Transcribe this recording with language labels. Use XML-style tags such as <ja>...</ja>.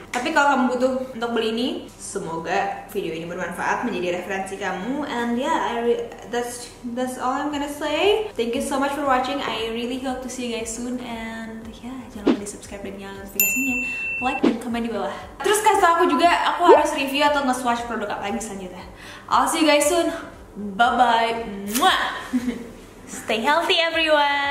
<id>Tapi kalau kamu butuh untuk beli ini, semoga video ini bermanfaat menjadi referensi kamu.</id> <en>And yeah, that's all I'm gonna say. Thank you so much for watching. I really hope to see you guys soon.</en> <id>And yeah, jangan lupa di subscribe dan nyalakan notifikasinya. Like dan komen di bawah. Terus kasih tau aku juga, aku harus review atau nge-swatch produk apa lagi selanjutnya.</id> <en>I'll see you guys soon. Bye-bye. Mwah. Stay healthy, everyone.</en>